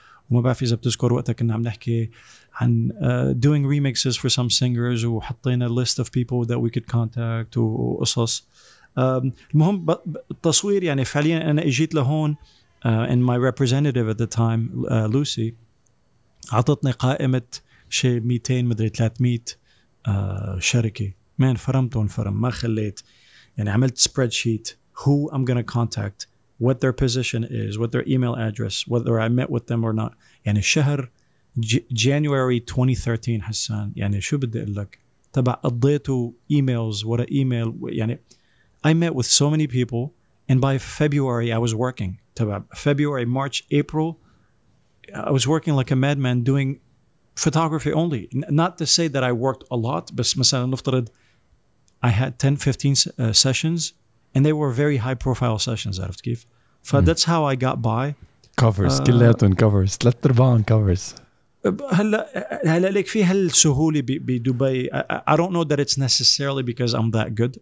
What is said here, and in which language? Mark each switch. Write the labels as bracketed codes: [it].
[ar] وما بعرف اذا بتذكر وقتها كنا عم نحكي عن [en] doing remixes for some singers [ar] وحطينا [en] list of people that we could contact [ar] وقصص. المهم التصوير يعني فعليا أنا إجيت لهون [en] and my representative at the time [ar] Lucy عطتني قائمة شيء 200 مدري 300 شركة من فرمتون فرم ما خليت. يعني عملت [en] spreadsheet who I'm gonna contact, what their position is, what their email address, whether I met with them or not. [ar] يعني شهر January 2013 حسان, يعني شو بدي أقول لك, تبع قضيته emails ورا email. [en] يعني I met with so many people, and by February I was working. February, March, April, I was working like a madman doing photography only. Not to say that I worked a lot, but [ar] مثلا نفترض [en] I had 10-15 sessions, and they were very high-profile sessions out of Kyiv. So that's how I got by. [ar] Covers, كلياتهم covers, ثلاث أرباعهم covers. هلا لك في هالسهولة بدبي. [en] I don't know that it's necessarily because I'm that good.